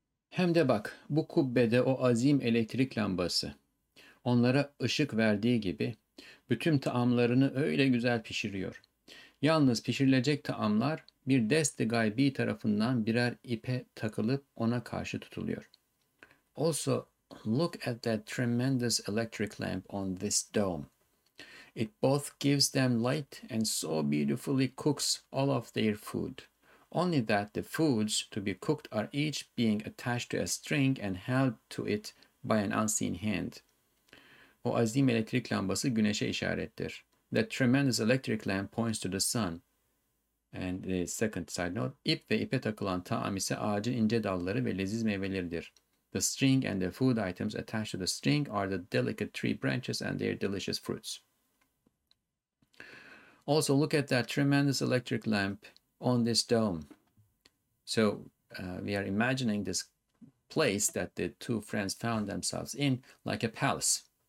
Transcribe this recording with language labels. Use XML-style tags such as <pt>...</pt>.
<tr>Hem de bak, bu kubbede o azim elektrik lambası, onlara ışık verdiği gibi, bütün taamlarını öyle güzel pişiriyor. Yalnız pişirilecek taamlar, bir deste gaybi tarafından birer ipe takılıp ona karşı tutuluyor.</tr> <en>Also, look at that tremendous electric lamp on this dome. It both gives them light and so beautifully cooks all of their food. Only that the foods to be cooked are each being attached to a string and held to it by an unseen hand.</en> <tr>O azim elektrik lambası güneşe işarettir.</tr> <en>That tremendous electric lamp points to the sun. And the second side note,</en> <tr>ip ve ipe takılan taam ise ağacın ince dalları ve leziz meyveleridir.</tr> <en>The string and the food items attached to the string are the delicate tree branches and their delicious fruits. Also, look at that tremendous electric lamp on this dome. So, we are imagining this place that the two friends found themselves in, like a palace.</en>